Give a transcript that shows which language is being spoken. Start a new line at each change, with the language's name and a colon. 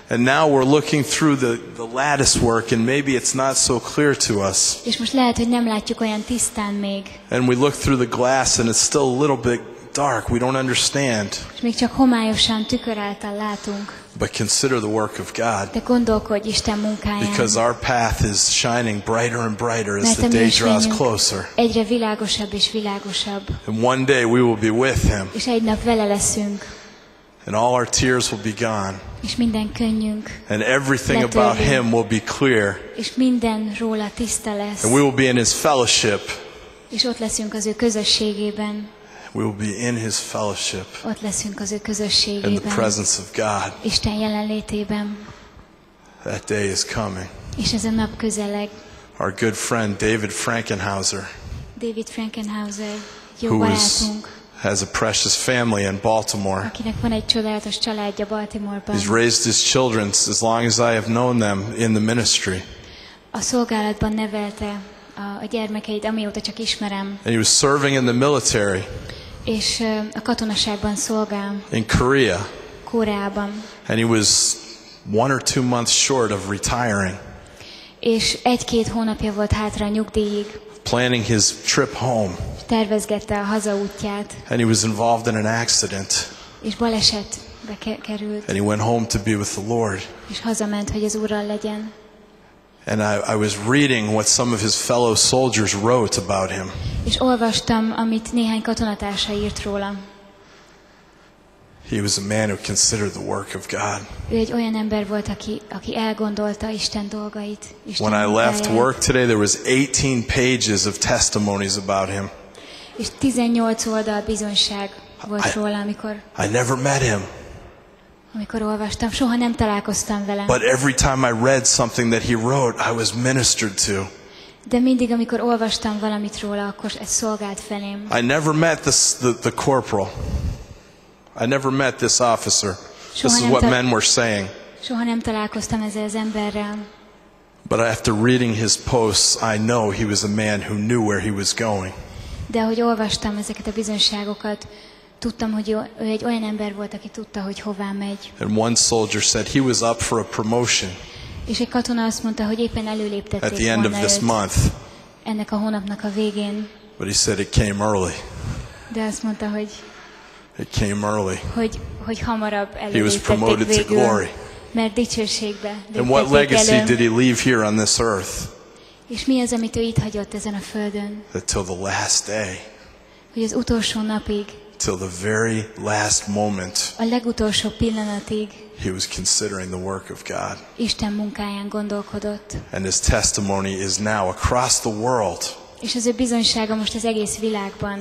English: And now we're looking through the lattice work and maybe it's not so clear to us.
Hungarian: És most lehet, hogy nem látjuk olyan tisztán még.
English: And we look through the glass and it's still a little bit dark. We don't understand.
Hungarian: És még csak homályosan tükör által látunk.
English: But consider the work of God.
Hungarian: De gondolkodj Isten munkáján.
English: Because our path is shining brighter and brighter as the day draws closer.
Hungarian: Egyre világosabb és világosabb.
English: And one day we will be with him.
Hungarian: És egy nap vele leszünk.
English: And all our tears will be gone.
Hungarian: És minden könnyünk.
English: And everything about him will be clear.
Hungarian: És minden róla tiszta lesz.
English: And we will be in his fellowship.
Hungarian: És ott leszünk az ő közösségében.
English: We will be in his fellowship.
Hungarian: Ott leszünk az ő közösségében.
English: In the presence of God.
Hungarian: Isten jelenlétében.
English: That day is coming.
Hungarian: És ez a nap közeleg.
English: Our good friend David Frankenhauser.
Hungarian: David Frankenhauser. Jó barátunk.
English: Has a precious family in Baltimore.
Hungarian: Akinek van egy csodálatos családja Baltimore-ban.
English: He's raised his children as long as I have known them in the ministry.
Hungarian: A szolgálatban nevelte a gyermekeit, amióta csak ismerem.
English: And he was serving in the military.
Hungarian: És a katonaságban szolgál.
English: In Korea.
Hungarian: Koreában.
English: And he was one or two months short of retiring.
Hungarian: És egy-két hónapja volt hátra a nyugdíjig.
English: Planning his trip home.
Hungarian: Tervezgette a hazaútját.
English: And he was involved in an accident.
Hungarian: És balesetbe került.
English: And he went home to be with the Lord.
Hungarian: És hazament, hogy az Úrral legyen.
English: And I was reading what some of his fellow soldiers wrote about him.
Hungarian: És olvastam, amit néhány katonatársa írt róla.
English: He was a man who considered the work of God.
Hungarian: Ő egy olyan ember volt, aki elgondolta Isten dolgait. Isten
English: when
Hungarian: munkáját.
English: I left work today, there was 18 pages of testimonies about him.
Hungarian: És 18 oldal bizonyság volt róla, amikor.
English: I never met him.
Hungarian: Amikor olvastam, soha nem találkoztam vele.
English: But every time I read something that he wrote, I was ministered to.
Hungarian: De mindig, amikor olvastam valamit róla, akkor ez szolgált felém.
English: I never met the corporal. I never met this officer.
Hungarian: Soha
English: this is what men were saying.
Hungarian: Soha nem találkoztam ezzel az emberrel.
English: But after reading his posts, I know he was a man who knew where he was going.
Hungarian: De ahogy olvastam ezeket a bizonyságokat, tudtam, hogy ő egy olyan ember volt, aki tudta, hogy hová megy.
English: And one soldier said he was up for a promotion.
Hungarian: És egy katona azt mondta, hogy éppen előléptették.
English: At the end of this month.
Hungarian: Ennek a hónapnak a végén.
English: But he said it came early.
Hungarian: De azt mondta, hogy
English: it came early.
Hungarian: Hogy hamarabb előléptették.
English: He was promoted to glory.
Hungarian: Mert dicsőségbe.
English: And what legacy did he leave here on this earth?
Hungarian: És mi az, amit ő itt hagyott ezen a földön?
English: Till the last day.
Hungarian: Hogy az utolsó napig.
English: Till the very last moment.
Hungarian: A legutolsó pillanatig.
English: He was considering the work of God.
Hungarian: Isten munkáján gondolkodott.
English: And his testimony is now across the world.
Hungarian: És az ő bizonysága most az egész világban.